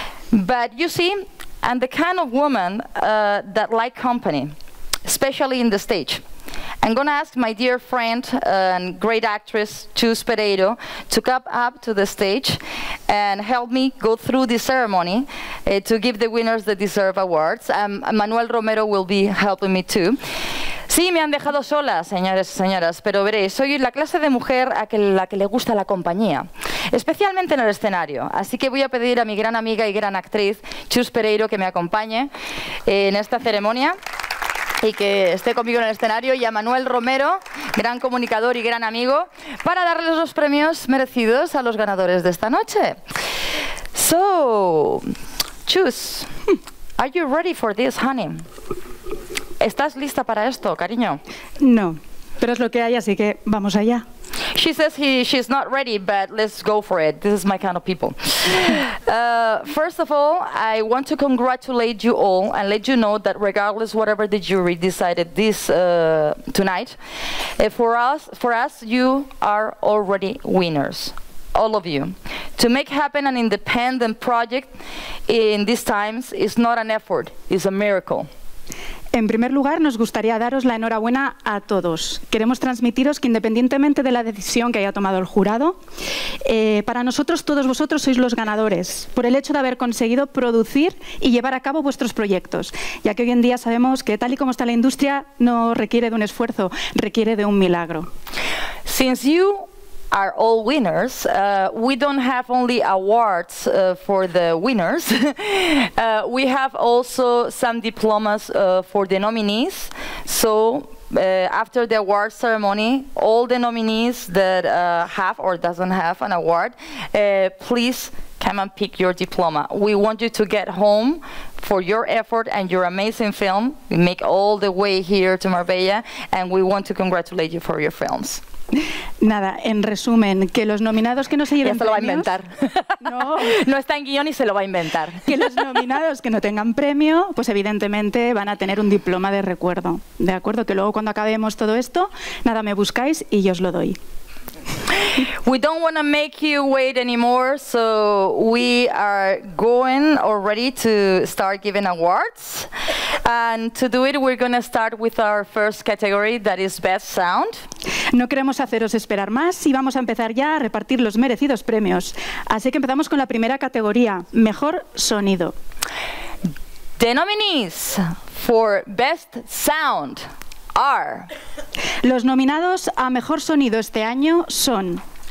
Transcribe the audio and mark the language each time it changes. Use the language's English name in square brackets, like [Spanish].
[English] But you see, I'm the kind of woman that like company, especially in the stage. I'm going to ask my dear friend and great actress, Chus Pereiro, to come up to the stage and help me go through the ceremony to give the winners the deserved awards. Manuel Romero will be helping me too. [Spanish] Sí, me han dejado sola, señores y señoras, pero veréis, soy la clase de mujer a la que le gusta la compañía, especialmente en el escenario. Así que voy a pedir a mi gran amiga y gran actriz, Chus Pereiro, que me acompañe en esta ceremonia. Y que esté conmigo en el escenario, y a Manuel Romero, gran comunicador y gran amigo, para darles los premios merecidos a los ganadores de esta noche. [English] So, Chus, are you ready for this, honey? [Spanish] ¿Estás lista para esto, cariño? No, pero es lo que hay, así que vamos allá. [English] She says she's not ready, but let's go for it. This is my kind of people. First of all, I want to congratulate you all and let you know that regardless whatever the jury decided this tonight, for us, you are already winners, all of you. To make happen an independent project in these times is not an effort, it's a miracle. [Spanish] En primer lugar, nos gustaría daros la enhorabuena a todos. Queremos transmitiros que independientemente de la decisión que haya tomado el jurado, para nosotros todos vosotros sois los ganadores por el hecho de haber conseguido producir y llevar a cabo vuestros proyectos, ya que hoy en día sabemos que tal y como está la industria no requiere de un esfuerzo, requiere de un milagro. [English] Since you are all winners, we don't have only awards for the winners, we have also some diplomas for the nominees. So after the award ceremony, all the nominees that have or doesn't have an award, please come and pick your diploma. We want you to get home for your effort and your amazing film. We make all the way here to Marbella, and we want to congratulate you for your films. [Spanish] Nada, en resumen, que los nominados que no se lleven premios... Ya se lo va a inventar. No, no está en guión y se lo va a inventar. Que los nominados que no tengan premio, pues evidentemente van a tener un diploma de recuerdo. De acuerdo, que luego cuando acabemos todo esto, nada, me buscáis y yo os lo doy. [English] We don't want to make you wait anymore, so we are going already to start giving awards. And to do it, we're going to start with our first category, that is Best Sound. [Spanish] No queremos haceros esperar más y vamos a empezar ya a repartir los merecidos premios. Así que empezamos con la primera categoría, Mejor Sonido. [English] The nominees for Best Sound are... [Spanish] Los nominados a Mejor Sonido este año son...